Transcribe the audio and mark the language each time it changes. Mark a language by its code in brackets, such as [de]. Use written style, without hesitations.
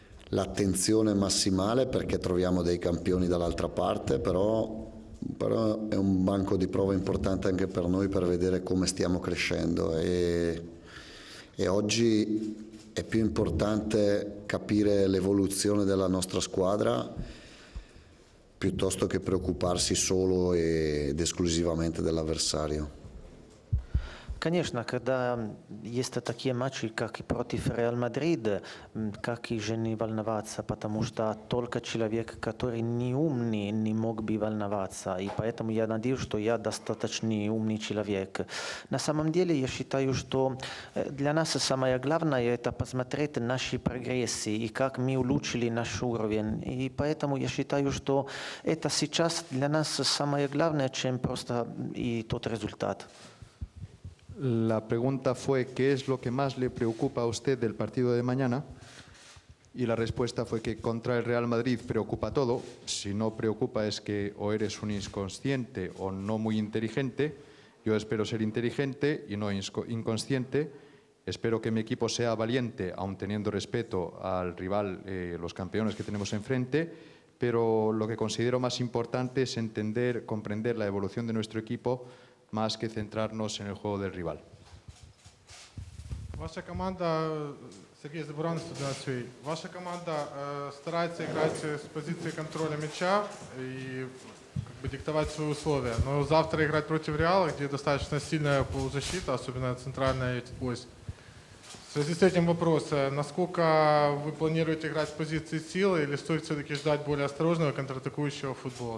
[it] l'attenzione massimale perché troviamo dei campioni dall'altra parte, però è un banco di prova importante anche per noi per vedere come stiamo crescendo e oggi è più importante capire l'evoluzione della nostra squadra piuttosto che preoccuparsi solo ed esclusivamente dell'avversario. [ru] Конечно, когда есть такие матчи, как и против Реал Мадрид, как и же не волноваться, потому что только человек, который не умный, не мог бы волноваться. И поэтому я надеюсь, что я достаточно умный человек. На самом деле, я считаю, что для нас самое главное – это посмотреть наши прогрессы и как мы улучшили наш уровень. И поэтому я считаю, что это сейчас для нас самое главное, чем просто и тот результат. [es] La pregunta fue qué es lo que más le preocupa a usted del partido de mañana y la respuesta fue que contra el Real Madrid preocupa todo. Si no preocupa es que o eres un inconsciente o no muy inteligente. Yo espero ser inteligente y no inconsciente. Espero que mi equipo sea valiente, aun teniendo respeto al rival, los campeones que tenemos enfrente. Pero lo que considero más importante es entender, comprender la evolución de nuestro equipo más que centrarnos en el juego del rival. [ru] Ваша команда, Сергей Забуран, Студенцовый, ваша команда старается играть с позиции контроля мяча и как бы диктовать свои условия, но завтра играть против Реала, где достаточно сильная полузащита, особенно центральная ось. В связи с этим вопрос, насколько вы планируете играть с позиции силы или стоит все-таки ждать более осторожного контратакующего футбола?